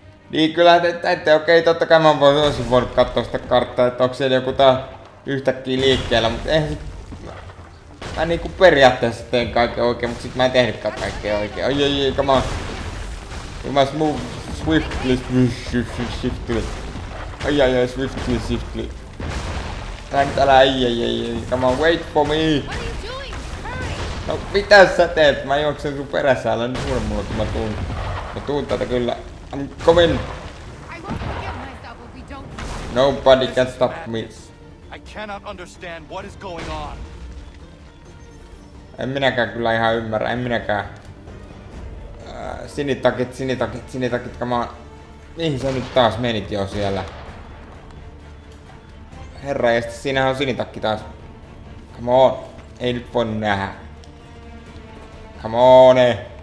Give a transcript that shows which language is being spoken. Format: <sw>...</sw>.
<fi>Niin kyllä ette. Okei, totta kai mä olisin voinut katsoa sitä karttaa, että onko siellä joku tää yhtäkkiä liikkeellä, mutta eihän sit... Mä niinku periaatteessa teen kaiken oikein, mutta sit mä en tehnytkään kaikkea oikein. Oi, oi, oi,</fi> <en>come on! We must move swiftly, swiftly.</en> <fi>Oi, oi, oi,</fi> <en>swiftly, swiftly.</en> <fi>Tää nyt älä, oi,</fi> <en>come on, wait for me!</en> <fi>No mitä sä teet? Mä juoksen sun perässä, älä nyt huuda mulle, kun mä tuun. Mä tuun tätä kyllä.</fi> <en>I'm coming! Nobody can stop me. I cannot understand what is going on.</en> <fi>En minäkään kyllä ihan ymmärrä, en minäkään. Sinitakit,</fi> <en>come on.</en> <fi>Mihin sä nyt taas menit jo siellä? Herra, ja sitten siinähän on sinitakki taas.</fi> <en>Come on,</en> <fi>ei nyt voi nähdä. Come on, ei.</fi>